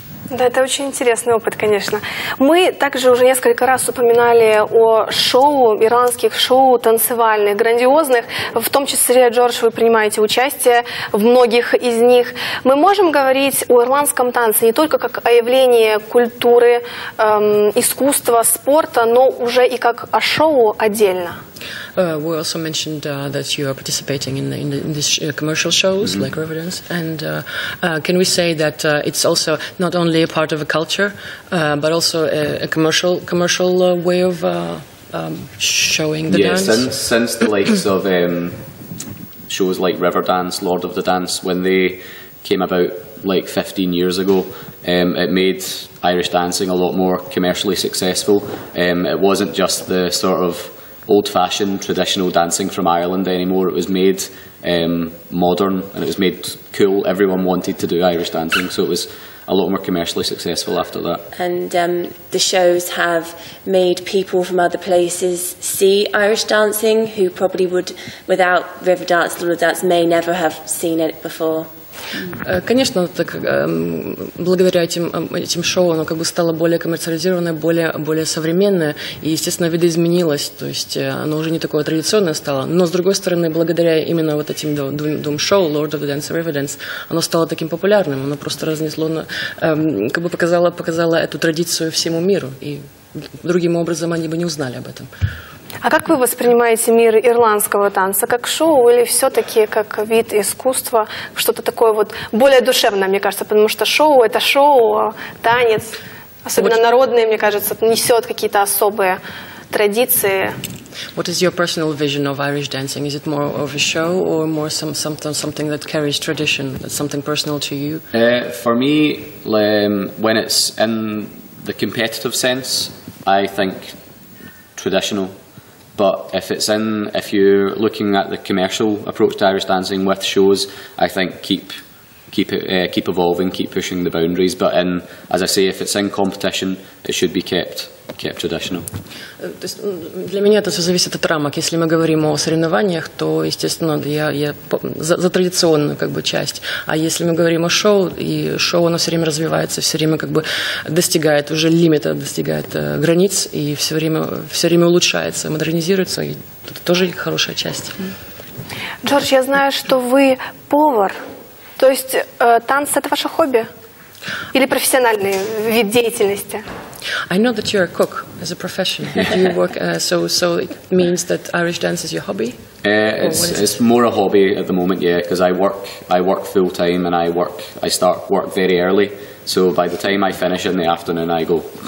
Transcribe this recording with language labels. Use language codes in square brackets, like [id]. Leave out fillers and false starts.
[ru] Да, это очень интересный опыт, конечно. Мы также уже несколько раз упоминали о шоу, ирландских шоу танцевальных, грандиозных. В том числе, Джордж, вы принимаете участие в многих из них. Мы можем говорить о ирландском танце не только как о явлении культуры, искусства, спорта, но уже и как о шоу отдельно. [en] We also mentioned that you are participating in these commercial shows, mm-hmm. like Riverdance, and can we say that it's also not only a part of a culture, but also a commercial way of showing the dance? Yeah, since the likes of shows like Riverdance, Lord of the Dance, when they came about like 15 years ago, it made Irish dancing a lot more commercially successful. It wasn't just the sort of old-fashioned traditional dancing from Ireland anymore. It was made modern and it was made cool. Everyone wanted to do Irish dancing, so it was a lot more commercially successful after that. And the shows have made people from other places see Irish dancing who probably would, without Riverdance, Lord of Dance, may never have seen it before. [ru] Конечно, так, благодаря этим шоу оно как бы стало более коммерциализированное, более современное, и, естественно, видоизменилось, то есть оно уже не такое традиционное стало. Но, с другой стороны, благодаря именно вот этим двум шоу, Lord of the Dance и Riverdance, оно стало таким популярным, оно просто разнесло, как бы показало эту традицию всему миру, и другим образом они бы не узнали об этом. А как вы воспринимаете мир ирландского танца? Как шоу или все-таки как вид искусства? Что-то такое вот более душевное, мне кажется, потому что шоу – это шоу, танец, особенно народный, мне кажется, несет какие-то особые традиции. [en] What is your personal vision of Irish dancing? Is it more of a show or more something that carries tradition, that's something personal to you? For me, when it's in the competitive sense, I think traditional. But if you're looking at the commercial approach to Irish dancing with shows, I think keep evolving, keep pushing the boundaries. But in, as I say, if it's in competition, it should be kept traditional. [ru] То есть для меня это все зависит от рамок. Если мы говорим о соревнованиях, то, естественно, я за традиционную как бы часть. А если мы говорим о шоу, и шоу, оно все время развивается, все время как бы достигает уже лимита, достигает границ, и все время улучшается, модернизируется, и это тоже хорошая часть. Джордж, я знаю, что вы повар. То есть танцы – это ваше хобби? Или профессиональный вид деятельности? [en] I know that you're a cook as a profession. Do you work so it means that Irish dance is your hobby? It's more a hobby at the moment, yeah, because I work full time and I start work very early. So by the time I finish in the afternoon, I go.